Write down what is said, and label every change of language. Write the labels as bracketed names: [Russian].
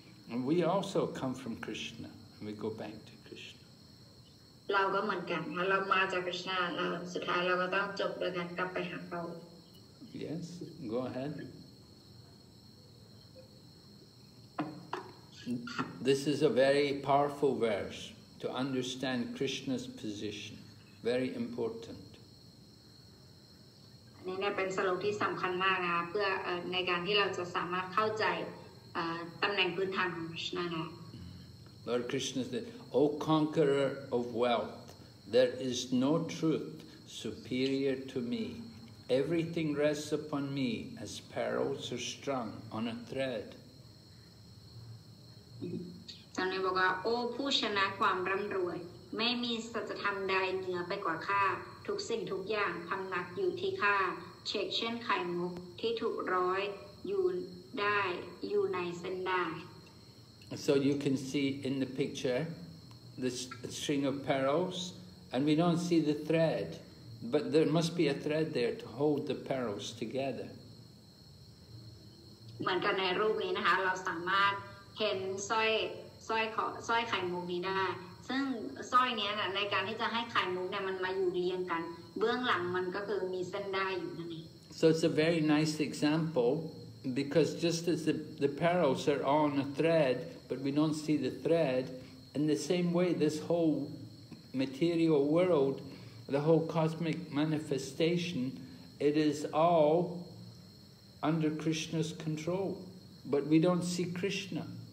[English] And we also come from Krishna, and we go back to Krishna. Yes, go ahead. This is a very powerful verse to understand Krishna's position. Very important. [Thai] นี่เป็นสโลกที่สำคัญมากนะเพื่อในการที่เราจะสามารถเข้าใจตำแหน่งพื้นฐานของ Krishna นะ [English] Lord Krishna said, O conqueror of wealth, there is no truth superior to me. Everything rests upon me as pearls are strung on a thread. [Thai] ท่านบอกว่าโอ้ผู้ชนะความร่ำรวยไม่มีสัจธรรมใดเหนือไปกว่าข้าทุกสิ่งทุกอย่างพำนักอยู่ที่ข้าเช็คเช่นไข่มุกที่ถูกร้อยอยู่ได้อยู่ในเส้นได้ [English] So you can see in the picture the string of pearls and we don't see the thread but there must be a thread there to hold the pearls together [Thai] เหมือนกันในรูปนี้นะคะเราสามารถเห็นสร้อยไข่มุกนี้ได้ซึ่งสร้อยนี้น่ะในการที่จะให้ไข่มุกเนี่ยมันมาอยู่เรียงกันเบื้องหลังมันก็คือมีเส้นได้อยู่นั่นเอง [English] So it's a very nice example because just as the pearls are on a thread but we don't see the thread in the same way this whole material world the whole cosmic manifestation it is all under Krishna's control but we don't see Krishna